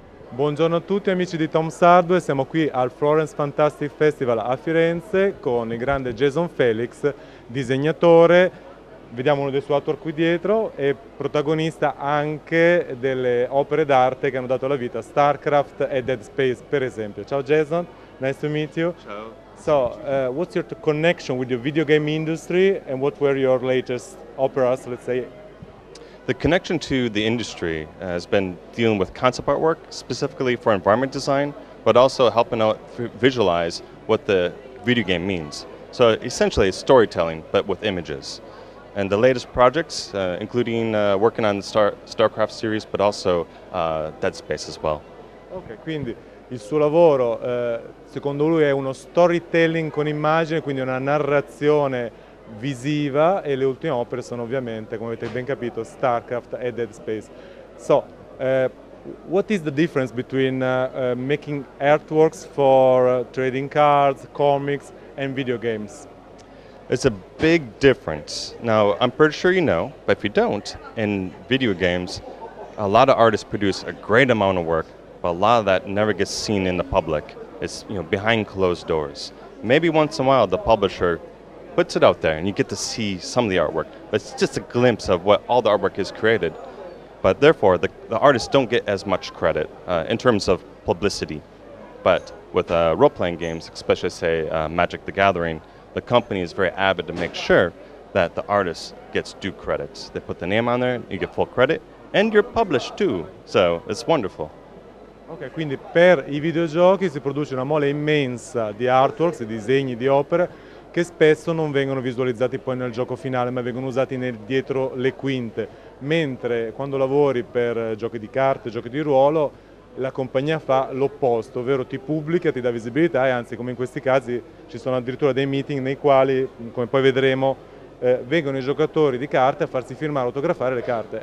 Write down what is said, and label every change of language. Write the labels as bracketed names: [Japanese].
[Italian] Buongiorno a tutti amici di Tom's Hardware, siamo qui al Florence Fantastic Festival a Firenze con il grande Jason Felix, disegnatore, vediamo uno dei suoi autori qui dietro e protagonista anche delle opere d'arte che hanno dato la vita a Starcraft e Dead Space per esempio. [English] Ciao Jason, nice to meet you. [Italian] Ciao. [English] So, what's your connection with the video game industry and what were your latest operas, let's say? The connection to the industry has been dealing with concept artwork, specifically for environment design, but also helping out visualize what the video game means. So essentially, it's storytelling, but with images. And the latest projects, including working on the Starcraft series, but also Dead Space as well. [Italian] Okay, quindi il suo lavoro, secondo lui, è uno storytelling con immagine, quindi una narrazione visiva, e le ultime opere sono ovviamente, come avete ben capito, Starcraft e Dead Space. [English] So, what is the difference between making artworks for trading cards, comics, and video games? It's a big difference. Now, I'm pretty sure you know, but if you don't, in video games, a lot of artists produce a great amount of work, but a lot of that never gets seen in the public. It's, you know, behind closed doors. Maybe once in a while, the publisher puts it out there and you get to see some of the artwork, but it's just a glimpse of what all the artwork is created. But therefore, the artists don't get as much credit in terms of publicity. But with role-playing games, especially say Magic the Gathering, the company is very avid to make sure that the artist gets due credits. They put the name on there, you get full credit, and you're published too. So it's wonderful. [Italian] Ok, quindi per i videogiochi si produce una mole immensa di artworks, di disegni, di opere, che spesso non vengono visualizzati poi nel gioco finale, ma vengono usati dietro le quinte. Mentre quando lavori per giochi di carte, giochi di ruolo, la compagnia fa l'opposto, ovvero ti pubblica, ti dà visibilità e anzi, come in questi casi, ci sono addirittura dei meeting nei quali, come poi vedremo, vengono i giocatori di carte a farsi firmare, autografare le carte.